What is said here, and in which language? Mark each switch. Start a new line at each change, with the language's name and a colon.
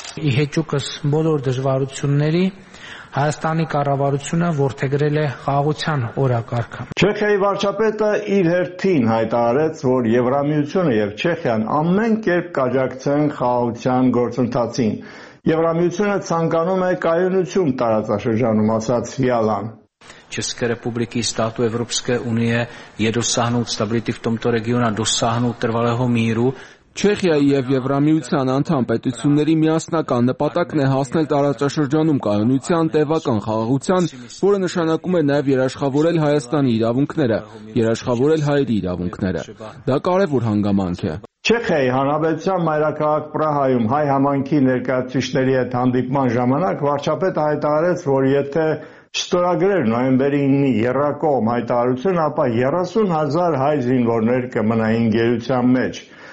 Armenian: Իհեճուկս բոլոր դժվարությունների Հայաստանի կառավարությունը որդեգրել է խաղաղության օրակարգը։ Չեխիայի վարչապետը իր հերթին հայտարարեց, որ Եվրամիությունը և Չեխիան ամեն կերպ կաջակցեն խաղաղության գործընթացին։ Եվրամիությունը ցանկանում է կայունություն տարածաշրջանում, ասաց Վիալան։
Czech: České republiky, státu Evropské unie je dosáhnout stability v tomto regionu a dosáhnout trvalého míru.
Armenian: Չեխիայի և Եվրամիության անդամ պետությունների միասնական նպատակն է հասնել տարածաշրջանում կայունության տևական խաղաղության, որը նշանակում է նաև երաշխավորել Հայաստանի իրավունքները, երաշխավորել հայերի իրավունքները։ Դա կարևոր հանգամանք է։ Չեխիայի Հանրապետության մայրաքաղաք Պրահայում հայ համայնքի ներկայացուցիչների հետ հանդիպման ժամանակ վարչապետը հայտարարեց, որ եթե չստորագրեր նոյեմբերի 9-ի Եռակողմ հայտարարություն, ապա 30,000 հայ զինվորներ կմնային գերության մեջ.